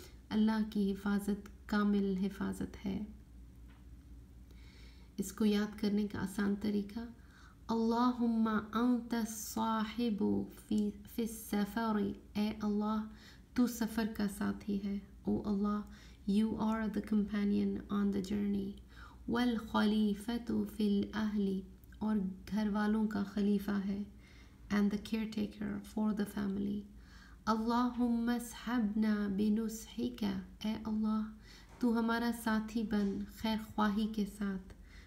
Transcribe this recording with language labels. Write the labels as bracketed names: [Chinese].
[Urdu] اللہ کی حفاظت کامل حفاظت ہے. اس کو یاد کرنے کا آسان طریقہ, [Arabic] اللہم انت صاحب فی السفر. [Urdu] اے اللہ, تو سفر کا ساتھی ہے. [English] او Allah, you are the companion on the journey. [Arabic] والخلیفۃ فی الاہل, [Urdu] اور گھر والوں کا خلیفہ ہے. [English] And the caretaker for the family. [Arabic] اللہم اصحبنا بنصحک. [Urdu] اے اللہ, تو ہمارا ساتھی بن خیر خواہی کے ساتھ.